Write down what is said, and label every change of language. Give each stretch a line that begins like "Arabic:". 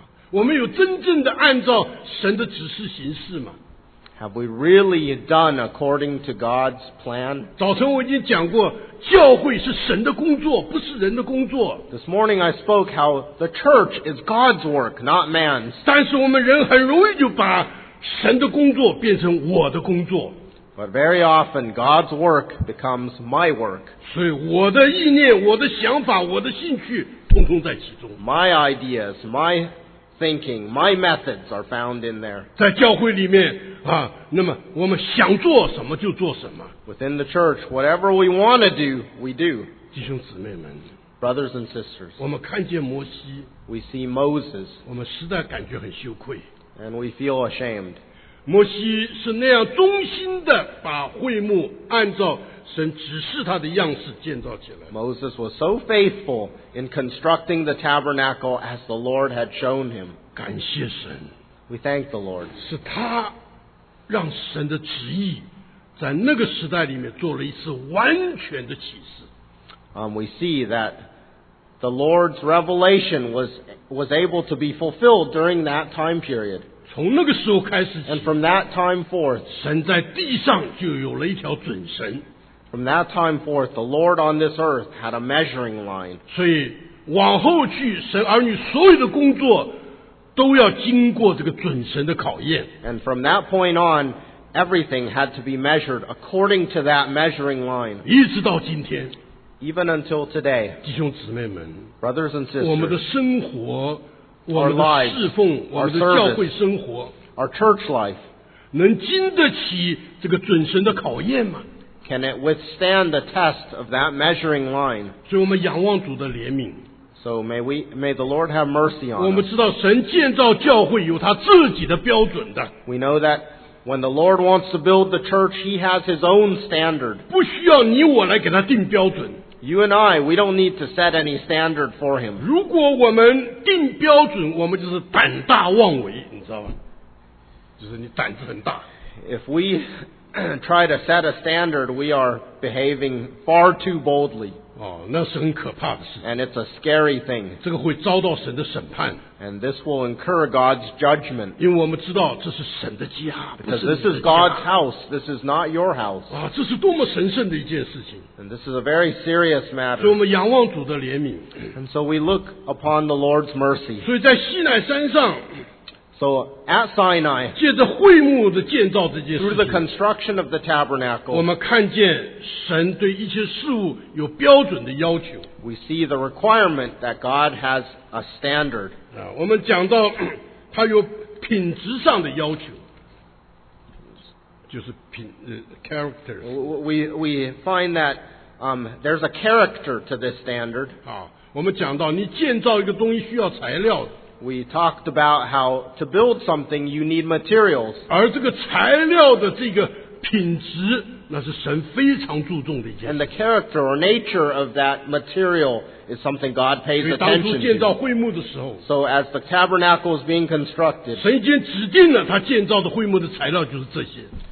Chinese: 我们有真正的按照神的指示行事吗？
English: Have we really done according to God's plan?
Chinese: 早晨我已经讲过，教会是神的工作，不是人的工作。
English: This morning I spoke how the church is God's work, not man's.
Chinese: 但是我们人很容易就把神的工作变成我的工作。
English: But very often, God's work becomes my work.
Chinese: 所以我的意念、我的想法、我的兴趣，通通在其中。
English: My ideas, my thinking, my methods are found in there.
Chinese: 在教会里面啊，那么我们想做什么就做什么。
English: Within the church, whatever we want to do, we do.
Chinese: 弟兄姊妹们
English: ，brothers and sisters，
Chinese: 我们看见摩西
English: ，we see Moses，
Chinese: 我们实在感觉很羞愧
English: ，and we feel ashamed。
Chinese: 摩西是那样忠心的把会幕按照神指示他的样式建造起来。
English: Moses was so faithful in constructing the tabernacle as the Lord had shown him.
Chinese: 感谢神。
English: We thank the Lord.
Chinese: 是他让神的旨意在那个时代里面做了一次完全的启示。
English: We see that The Lord's revelation was able to be fulfilled during that time period.
Chinese: 从那个时候开始起,
English: and from that time forth,
Chinese: 神在地上就有了一条准绳。
English: From that time forth, the Lord on this earth had a measuring line.
Chinese: 所以往后去神儿女所有的工作都要经过这个准绳的考验。
English: And from that point on, everything had to be measured according to that measuring line.
Chinese: 一直到今天。
English: Even until today,
Chinese: 弟兄姊妹们,
English: brothers and sisters,
Chinese: 我们的生活, 我们的侍奉, 我们的教会生活,
English: our church life,
Chinese: 能经得起这个准绳的考验吗?
English: Can it withstand the test of that measuring line?
Chinese: 所以我们仰望主的怜悯。
English: So may the Lord have mercy on us.
Chinese: 我们知道神建造教会有他自己的标准的。
English: We know that when the Lord wants to build the church, he has his own standard.
Chinese: 不需要你我来给他定标准。
English: You and I, we don't need to set any standard for him.
Chinese: 如果我们定标准，我们就是胆大妄为，你知道吗？就是你胆子很大。
English: If we try to set a standard, we are behaving far too boldly.
Chinese: 哦，那是很可怕的事。
English: And it's a scary thing.
Chinese: 这个会遭到神的审判。
English: And this will incur God's judgment.
Chinese: 因为我们知道这是神的家。
English: Because this is God's house. This is not your house.
Chinese: 啊，这是多么神圣的一件事情。
English: And this is a very serious matter.
Chinese: 所以我们仰望主的怜悯。
English: And so we look upon the Lord's mercy.
Chinese: 所以在西乃山上。
English: So at Sinai,
Chinese: 借着会幕的建造这件事情,
English: through the construction of the tabernacle,
Chinese: 我们看见神对一些事物有标准的要求。
English: We see the requirement that God has a standard.
Chinese: 我们讲到他有品质上的要求。就是品, character.
English: We find that, there's a character to this standard.
Chinese: 我们讲到你建造一个东西需要材料的。
English: We talked about how to build something you need materials.
Chinese: 而这个材料的这个品质，那是神非常注重的一件。
English: And the character or nature of that material is something God pays attention to.
Chinese: 所以当初建造会幕的时候
English: ，So as the tabernacle is being constructed,
Chinese: 神已经指定了他建造的会幕的材料就是这些。